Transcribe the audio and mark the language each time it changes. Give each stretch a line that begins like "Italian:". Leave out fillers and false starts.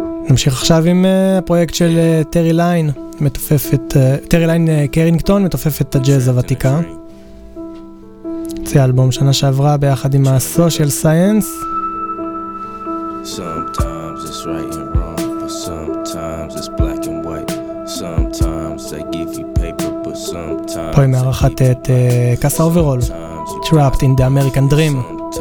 Hebrew: נמשיך עכשיו עם הפרויקט של טרי ליין, מתופפת טרי ליין קרינגטון, מתופפת הג'אז הוותיקה. יצא אלבום שנה שעברה ביחד עם הסושיאל סיינס.
English: Sometimes it's right and wrong, but sometimes it's black and white. Sometimes they give you paper, but sometimes
Hebrew: פה עם הערכת את קאסה אוברול, Trapped in the American Dream.